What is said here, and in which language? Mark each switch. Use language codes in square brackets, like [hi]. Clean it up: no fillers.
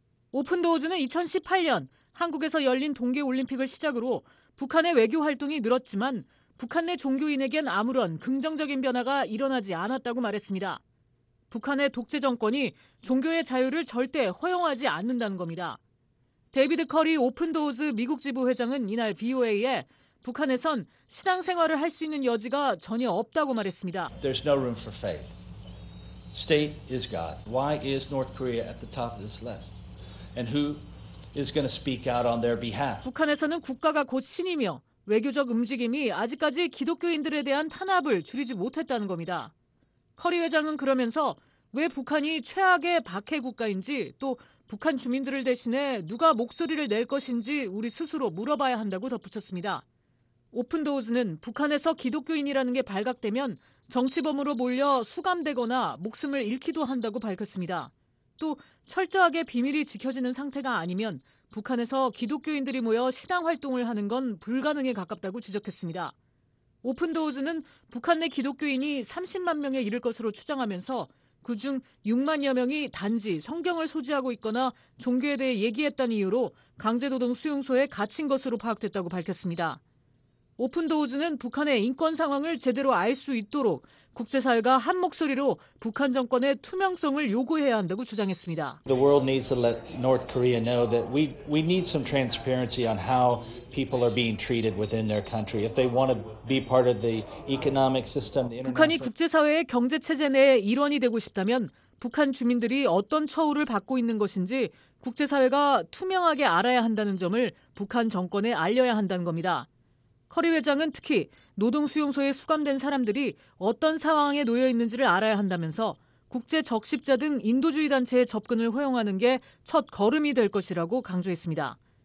[ko] 오픈도어즈는 2018년 한국에서 열린 동계올림픽을 시작으로 북한의 외교 활동이 늘었지만 북한 내 종교인에겐 아무런 긍정적인 변화가 일어나지 않았다고 말했습니다. 북한의 독재 정권이 종교의 자유를 절대 허용하지 않는다는 겁니다. 데이비드 커리 오픈도어즈 미국 지부 회장은 이날 VOA에 북한에선 신앙생활을 할 수 있는 여지가 전혀 없다고 말했습니다. [en] There's no room for faith. State is God. Why is North Korea at the top of this list? And who is going to speak out on their behalf? [ko] 북한에서는 국가가 곧 신이며 외교적 움직임이 아직까지 기독교인들에 대한 탄압을 줄이지 못했다는 겁니다. 커리 회장은 그러면서 왜 북한이 최악의 박해 국가인지 또 북한 주민들을 대신해 누가 목소리를 낼 것인지 우리 스스로 물어봐야 한다고 덧붙였습니다. 오픈도우즈는 북한에서 기독교인이라는 게 발각되면 정치범으로 몰려 수감되거나 목숨을 잃기도 한다고 밝혔습니다. 또 철저하게 비밀이 지켜지는 상태가 아니면 북한에서 기독교인들이 모여 신앙 활동을 하는 건 불가능에 가깝다고 지적했습니다. 오픈도우즈는 북한 내 기독교인이 30만 명에 이를 것으로 추정하면서 그중 6만여 명이 단지 성경을 소지하고 있거나 종교에 대해 얘기했다는 이유로 강제노동 수용소에 갇힌 것으로 파악됐다고 밝혔습니다. 오픈도우즈는 북한의 인권 상황을 제대로 알 수 있도록 국제사회가 한 목소리로 북한 정권의 투명성을 요구해야 한다고 주장했습니다. [en] The world needs to let North Korea know that we need some transparency on how people are being treated within their country. If they want to be part of the economic system, the international... [ko] 북한이 국제사회의 경제체제 내에 일원이 되고 싶다면 북한 주민들이 어떤 처우를 받고 있는 것인지 국제사회가 투명하게 알아야 한다는 점을 북한 정권에 알려야 한다는 겁니다. 커리 회장은 특히 노동수용소에 수감된 사람들이 어떤 상황에 놓여 있는지를 알아야 한다면서 국제 적십자 등 인도주의 단체의 접근을 허용하는 게 첫 걸음이 될 것이라고 강조했습니다.